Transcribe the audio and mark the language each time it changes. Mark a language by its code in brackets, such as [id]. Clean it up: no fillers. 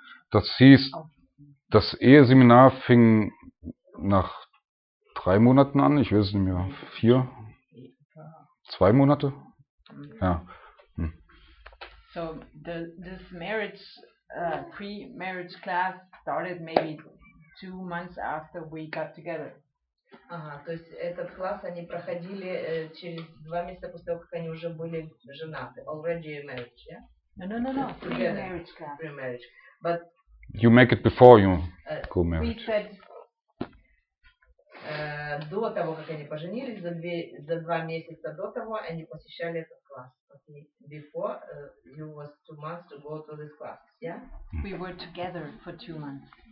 [de] Das hieß, das Eheseminar fing nach 3 Monaten an, ich weiß es nicht mehr, 4, 2 Monate, ja. [en] So, this marriage, pre-marriage class started maybe 2 months after we got together. [ru] Ага, то есть этот класс они проходили через 2 месяца после того, как они уже были женаты, [en] already married, yeah? No, pre-marriage class. Pre-marriage, but... You make it before you go married. We said... [ru] До того, как они поженились, за 2 месяца до того, они посещали этот класс. [en] Before, you was 2 months to go to this class, yeah? We were together for 2 months.